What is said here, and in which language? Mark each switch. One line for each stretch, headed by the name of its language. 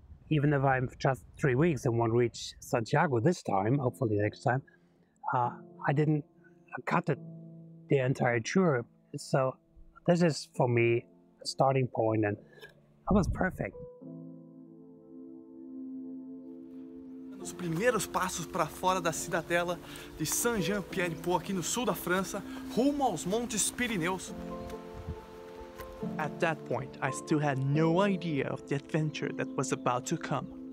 English: Even if I'm just 3 weeks and won't reach Santiago this time, hopefully next time, I didn't cut it the entire tour. So this is for me a starting point, and that was perfect.
Portuguese: Os primeiros passos para fora da cidadela de Saint-Jean-Pied-de-Port aqui no sul da França, rumo aos Montes Pirineus.
English: At that point, I still had no idea of the adventure that was about to come.